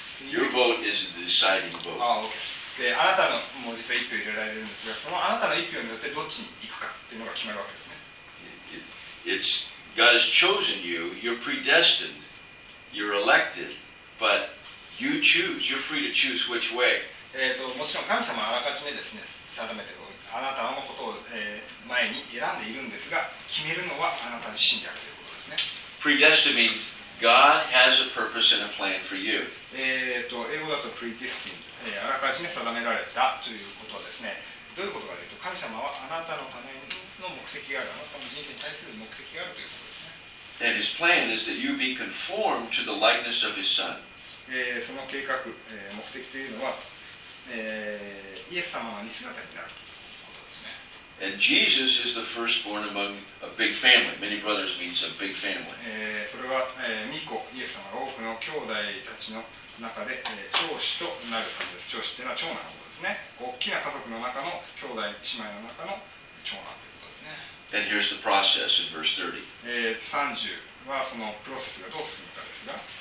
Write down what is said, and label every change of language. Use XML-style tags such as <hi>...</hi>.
<en>your vote is the deciding vote.</en> <ja>あ、OK。で、あなたのもう実は一票入れられるんですが、そのあなたの一票によってどっちに行くかというのが決まるわけですね。</ja> <en>It's God has chosen you, you're predestined, you're elected, but you choose, you're free to choose which way.</en> <ja>もちろん神様はあらかじめですね、定めて、あなたのことを、前に選んでいるんですが、決めるのはあなた自身であるということですね。</ja> <en>Predestined means God has a purpose and a plan for you.</en> <ja>英語だと predestined、あらかじめ定められたということはですね、どういうことかというと、神様はあなたのためにの目的がある、あなたの人生に対する目的があるということですね。</ja> <en>And his plan is that you be conformed to the likeness of his son.</en> <ja>その計画、目的というのは、イエス様の似姿になるということですね。</ja> <en>And Jesus is the firstborn among a big family. Many brothers means a big family.</en> <ja>それは、ミコ、イエス様が多くの兄弟たちの中で、長子となるためです。長子というのは長男のことですね。大きな家族の中の兄弟、姉妹の中の長男。</ja> <en>And here's the process in verse 30.</en> <ja>30はそのプロセスがどう進むかですが、</ja>